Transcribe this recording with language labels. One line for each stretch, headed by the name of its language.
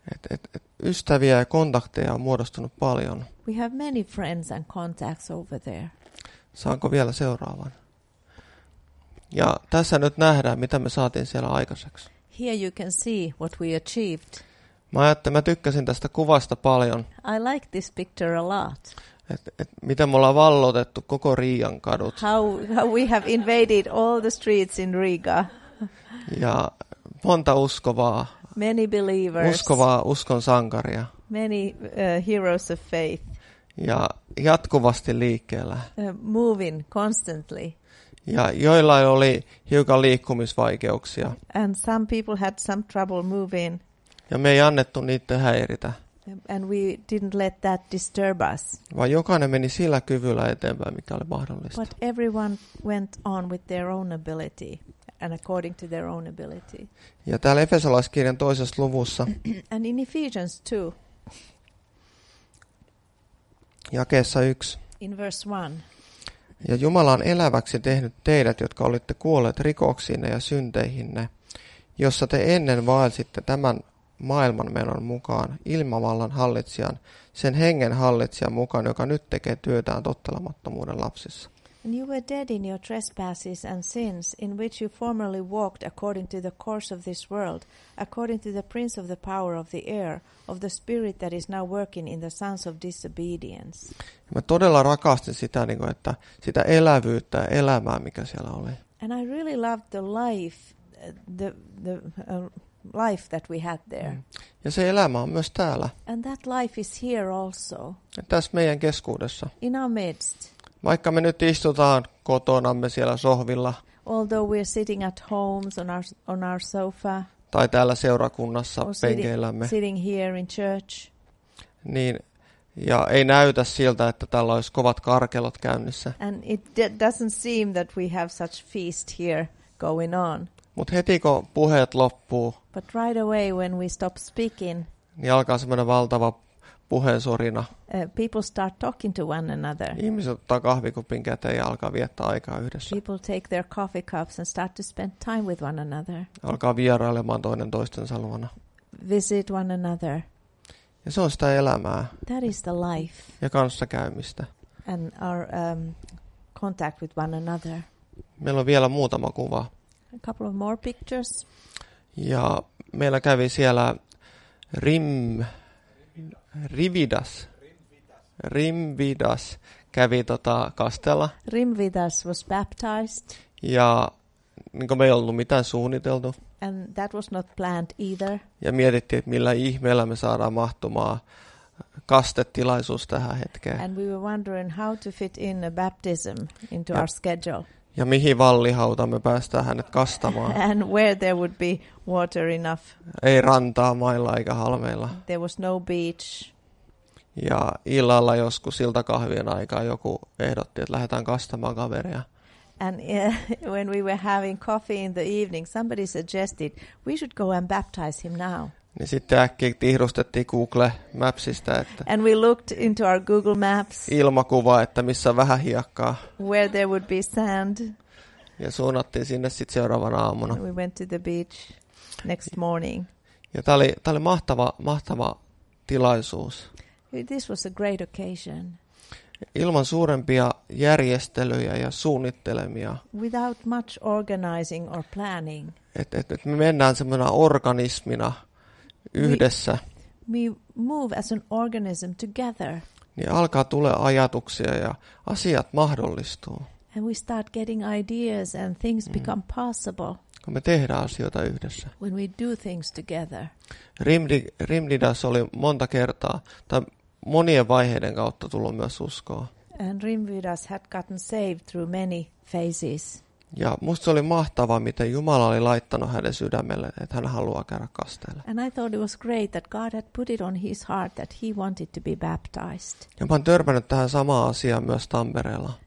Finnish: Et ystäviä ja kontakteja on muodostunut paljon.
English: We have many friends and contacts over there.
Finnish: Saanko vielä seuraavan? Ja tässä nyt nähdään, mitä me saatiin siellä aikaiseksi.
English: Here you can see what we achieved.
Finnish: Mä tykkäsin tästä kuvasta paljon.
English: I like this picture a lot.
Finnish: Et miten me ollaan valloitettu koko Riian kadut.
English: How we have invaded all the streets in Riga.
Finnish: Ja monta uskovaa.
English: Many believers.
Finnish: Uskovaa uskon sankaria.
English: Many heroes of faith.
Finnish: Ja jatkuvasti liikkeellä.
English: Moving constantly.
Finnish: Ja joilla oli hiukan liikkumisvaikeuksia.
English: And some people had some trouble moving.
Finnish: Ja me ei annettu niitä häiritä.
English: And we didn't let that disturb us.
Finnish: Vaan jokainen meni sillä kyvyllä eteenpäin, mikä oli mahdollista.
English: But everyone went on with their own ability. And according to their own ability.
Finnish: Ja täällä Efesolaiskirjan toisessa luvussa.
English: And in Ephesians 2.
Finnish: Jakeessa 1.
English: In verse 1.
Finnish: Ja Jumala on eläväksi tehnyt teidät, jotka olitte kuolleet rikoksiinne ja synteihinne, jossa te ennen vaelsitte tämän maailmanmenon mukaan, ilmavallan hallitsijan, sen hengen hallitsijan mukaan, joka nyt tekee työtään tottelemattomuuden lapsissa.
English: And you were dead in your trespasses and sins, in which you formerly walked according to the course of this world, according to the prince of the power of the air, of the spirit that is now working in the sons of disobedience.
Finnish: Mä todella rakastin sitä, niin kuin, että sitä elävyyttä ja elämää, mikä siellä oli.
English: And I really loved the life that we had there.
Finnish: Ja se elämä on myös täällä.
English: And that life is here also.
Finnish: Ja tässä meidän keskuudessa.
English: In our midst.
Finnish: Vaikka me nyt istutaan kotonamme siellä sohvilla.
English: Although we are sitting at homes on our sofa.
Finnish: Tai täällä seurakunnassa penkeillämme.
English: Sitting here in church.
Finnish: Niin, ja ei näytä siltä, että täällä olisi kovat karkelot käynnissä.
English: And it doesn't seem that we have such feast here going on.
Finnish: Mut heti kun puheet loppuu.
English: But right away when we stop speaking.
Finnish: Niin alkaa semmoinen valtava puheensorina.
English: People start talking to one another.
Finnish: Ihmiset ottaa kahvikupin käteen ja alkaa viettää aikaa yhdessä.
English: People take their coffee cups and start to spend time with one another.
Finnish: Alkaa vierailemaan toinen toistensa luona.
English: Visit one another.
Finnish: Ja se on sitä elämää.
English: That is the life.
Finnish: Ja kanssakäymistä.
English: And our contact with one another.
Finnish: Meillä on vielä muutama kuva.
English: A couple of more pictures.
Finnish: Ja meillä kävi siellä Rimvidas kävi kastella.
English: Rimvidas was baptized.
Finnish: Ja niin kuin me ei ollut mitään suunniteltu.
English: And that was not planned either.
Finnish: Ja mietittiin, että millä ihmeellä me saadaan mahtumaan kastetilaisuus tähän hetkeen.
English: And we were wondering how to fit in a baptism into our schedule.
Finnish: Ja mihin vallihauta me päästään hänet kastamaan.
English: And where there would be water enough.
Finnish: Ei rantaa mailla eikä halmeilla.
English: There was no beach.
Finnish: Ja illalla joskus iltakahvien aikaa joku ehdotti, että lähdetään kastamaan kaveria.
English: And when we were having coffee in the evening, somebody suggested we should go and baptize him now.
Finnish: Niin sitten äkkiä tihrustettiin Google Mapsista, että
English: and we looked into our Google Maps.
Finnish: Ilmakuva, että missä on vähän hiekkaa.
English: Where there would be sand.
Finnish: Ja suunnattiin sinne sitten seuraavana aamuna.
English: And we went to the beach next morning.
Finnish: Ja tämä oli mahtava tilaisuus.
English: This was a great occasion.
Finnish: Ilman suurempia järjestelyjä ja suunnittelemia.
English: Without much organizing or planning.
Finnish: Et me mennään semmoina organismina. Yhdessä.
English: We move as an organism together.
Finnish: Niin alkaa tulla ajatuksia ja asiat mahdollistuu.
English: And we start getting ideas and things become possible.
Finnish: Kun me tehdään asioita yhdessä.
English: When we do things together.
Finnish: Rimvidas oli monta kertaa tai monien vaiheiden kautta tullut myös uskoa.
English: And Rimvidas had gotten saved through many phases.
Finnish: Ja musta se oli mahtavaa, miten Jumala oli laittanut hänen sydämelle, että hän haluaa käydä kasteella.
English: And I thought it was great that God had put it on his heart that he wanted to be baptized.
Finnish: Ja mä oon törmännyt tähän samaan asiaan myös Tampereella.